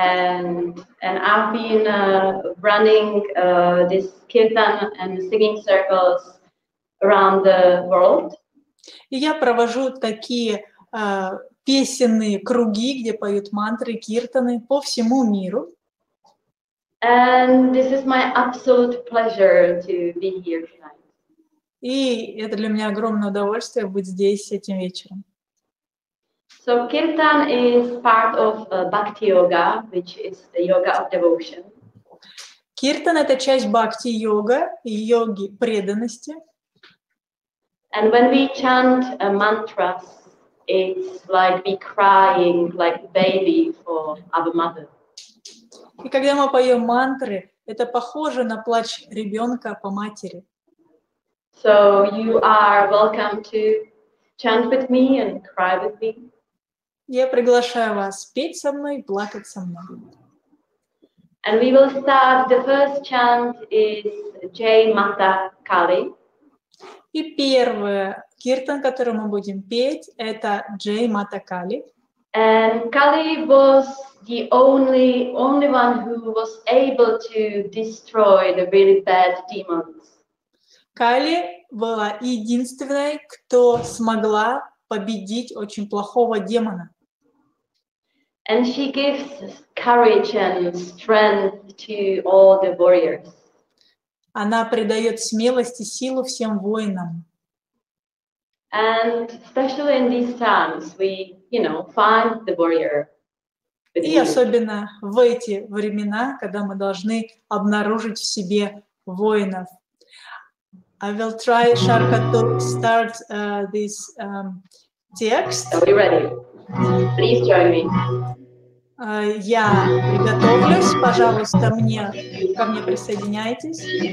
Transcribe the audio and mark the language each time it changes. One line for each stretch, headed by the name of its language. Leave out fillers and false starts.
English: And I've been running this kirtan and singing circles around the world.
Russian: И я провожу такие песенные круги, где поют мантры, киртаны по всему миру.
English: And this is my absolute pleasure to be here tonight.
Russian: И это для меня огромное удовольствие быть здесь этим вечером.
English: So kirtan is part of bhakti yoga, which is the yoga of devotion.
Russian: Киртан — это часть бхакти йога, йоги преданности.
English: And when we chant mantras, it's like we crying like baby for our mother.
Russian: И когда мы поем мантры, это похоже на плач ребенка по матери.
English: So you are welcome to chant with me and cry with me.
Russian: Я приглашаю вас петь со мной, плакать со мной.
English: And we will start. The first chant is Jai Mata Kali.
Russian: И первый киртан, который мы будем петь, это Jai Mata Kali.
English: And Kali was the only one who was able to destroy the really bad demons.
Russian: Kali была единственной, кто смогла победить очень плохого демона.
English: And she gives courage and strength to all the warriors.
Russian: Она придает смелость и силу всем воинам.
English: And especially in these times, we, you know, find the warrior.
Russian: И особенно в эти времена, когда мы должны обнаружить в себе воинов.
English: I will try, Sharka, to start this text. Are you ready? Please join me.
Russian: Я приготовлюсь, пожалуйста, ко мне присоединяйтесь.